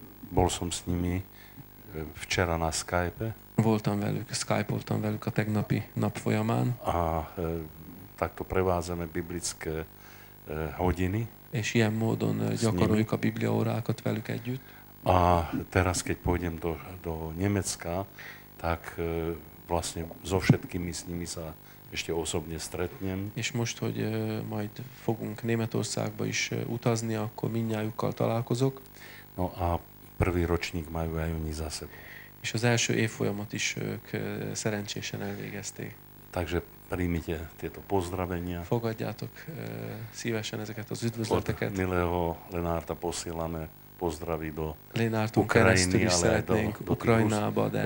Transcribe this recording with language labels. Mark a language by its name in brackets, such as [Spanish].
[Slovak] Bol som s nimi včera na Skype. [Hungarian] Voltam velük, skypoltam velük a tegnapi nap folyamán. [Slovak] A takto prevázame biblické hodiny. [Hungarian] És ilyen módon gyakoroljuk a bibliaórákat velük együtt. [Slovak] A teraz, keď pôjdem do Nemecka, tak vlastne so všetkými s nimi sa ešte osobne stretnem. [Hungarian] És most, hogy majd fogunk Németországba is utazni, akkor mindnyájukkal találkozok. [Slovak] No a prvý ročník majú aj oni za sebou. [Hungarian] És az első évfolyamot is ők szerencsésen elvégezték. [Slovak] Takže príjmite tieto pozdravenia. [Hungarian] Fogadjátok szívesen ezeket az üdvözleteket. [Slovak] Od milého Lenárta posílame pozdraví do Lenártom Ukrajiny, ale [Hungarian] szeretnénk do Ukrajnába, de